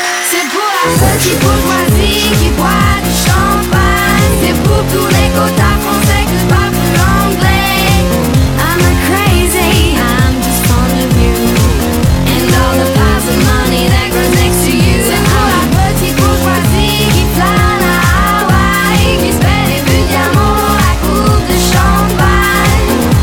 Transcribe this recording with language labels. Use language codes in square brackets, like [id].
[fr] C'est pour la petite bourgeoisie qui boit du champagne. C'est pour tous les quotas français que je parle plus anglais. [en] I'm not crazy, I'm just fond of you. And all the piles of money that grows next to you. [fr] C'est pour la petite bourgeoisie qui plane à Hawaï, qui se paie des bulles diamants dans la coupe de champagne.